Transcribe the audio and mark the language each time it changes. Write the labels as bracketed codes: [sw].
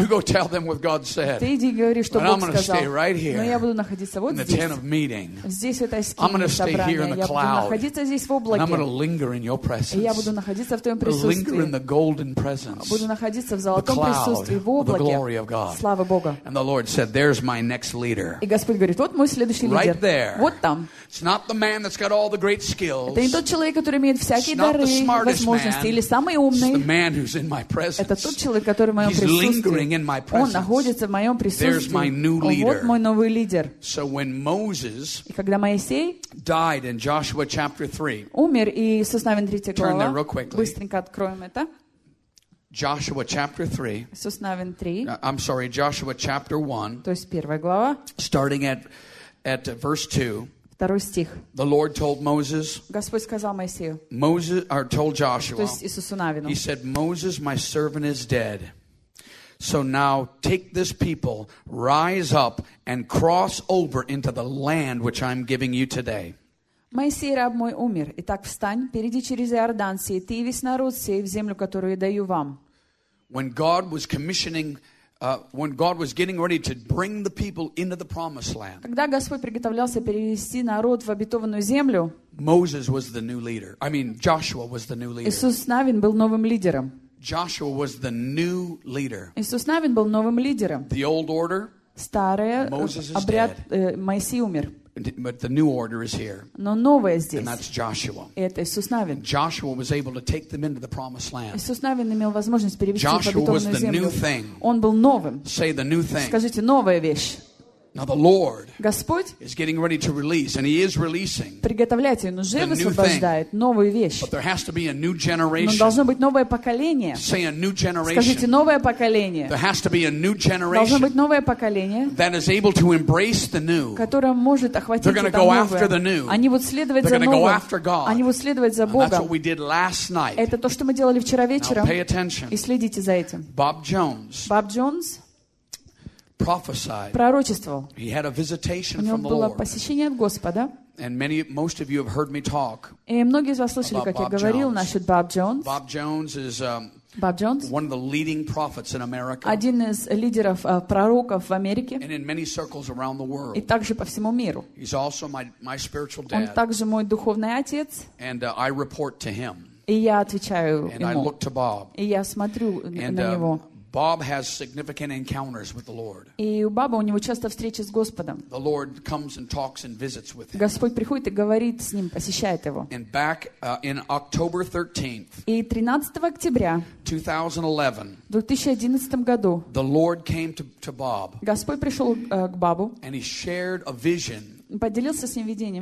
[en] You go tell them what God said. [ru] Ты иди, говори, что [en] and [ru] Бог [en] I'm [ru] сказал. [en] Stay right here, [ru] но я буду находиться вот [en] in the [ru] здесь. [en] Tent of meeting. [ru] Здесь, в этой скинии, [en] I'm gonna stay here in the cloud. [ru] Я буду находиться здесь в облаке. [en] And I'm gonna linger in your presence. [ru] И я буду находиться в твоем присутствии. [en] Linger in the golden presence. [ru] Буду находиться в золотом присутствии, в облаке. Слава Богу. [en] And the Lord said, "There's my next leader." [ru] И Господь говорит, вот мой следующий лидер. [en] Right there. [ru] Вот там. [en] It's not the man that's got all the great skills. [ru] Это не тот человек, который имеет всякие дары, возможности [en] man. [ru] Или самый умный. [en] It's the man who's in my presence. [ru] Это тот человек, который в моем [en] He's [ru] присутствии. [en] Lingering in my presence. [ru] Он находится в моем присутствии. [en] There's my new leader. [ru] Вот мой новый лидер. [en] So when Moses [ru] и когда Моисей [en] died in Joshua chapter 3, [ru] умер и Иисус Навин 3 глава. [en] Turn there real quickly. [ru] Быстренько откроем это. [en] Joshua chapter 3. I'm sorry, Joshua chapter 1. [ru] То есть первая глава. [en] Starting at verse 2. [ru] Второй стих. [en] The Lord told Moses. [ru] Господь сказал Моисею. [en] Moses or told Joshua. [ru] То есть Иисусу Навину. [en] He said, "Moses, my servant is dead. So now take this people, rise up and cross over into the land which I'm giving you today." [ru] Моисей, раб мой, умер. Итак, встань, перейди через Иордан сей, ты и весь народ сей, в землю, которую я даю вам. [en] When God was commissioning, when God was getting ready to bring the people into the promised land, [ru] когда Господь приготовлялся перевести народ в обетованную землю, [en] Moses was the new leader. I mean, Joshua was the new leader. [ru] Иисус Навин был новым лидером. [en] Joshua was the new leader. [ru] Иисус Навин был новым лидером. [en] The old order, [ru] старое, [en] Moses is [ru] обряд, [en] dead. [ru] Моисей умер. [en] But the new order is here. [ru] Но новое здесь. [en] And that's Joshua. [ru] Это Иисус Навин. [en] Joshua was able to take them into the promised land. [ru] Иисус Навин имел возможность перевести их в обетованную землю. [en] Joshua was the new thing. [ru] Он был новым. [en] Say the new thing. [ru] Скажите, новая вещь. [en] Now the Lord [ru] Господь [en] is getting ready to release, and He is releasing [ru] приготовляет, Он уже высвобождает новую вещь. [en] But there has to be a new generation. [ru] Но должно быть новое поколение. [en] Say a new generation. [ru] Скажите, новое поколение. [en] There has to be a new generation. [ru] Должно быть новое поколение. [en] That is able to embrace the new. [ru] Которое может охватить [en] They're [ru] это [en] go [ru] новое. [en] After the new. [ru] Они будут следовать [en] They're [ru] за новым. [en] Go after God. [ru] Они будут следовать за Богом. [en] And that's what we did last night. [ru] Это то, что мы делали вчера вечером. [en] Now pay attention. [ru] И следите за этим. Боб Джонс пророчествовал. [en] He had a visitation from the Lord. [ru] У него было посещение от Господа. [en] And many, most of you have heard me talk. [ru] И многие из вас слышали, как я говорил насчет Боб Джонс. [en] Боб Джонс is Bob Jones, one of the leading prophets in America. [ru] Один из лидеров пророков в Америке. [en] And in many circles around the world. [ru] И также по всему миру. [en] He's also my spiritual dad. [ru] Он также мой духовный отец. [en] And I report to him. [ru] И я отвечаю ему. [en] And I look to Bob. [ru] И я смотрю на него. [en] Bob has significant encounters with the Lord. [ru] И у Боба у него часто встречи с Господом. [en] The Lord comes and talks and visits with him. [ru] Господь приходит и говорит с ним, посещает его. [en] And back in October 13th. [ru] И 13 октября 2011 году. [en] The Lord came to Bob. [ru] Господь пришел к Бобу. [en] And he shared a vision. [ru] Поделился с ним видением.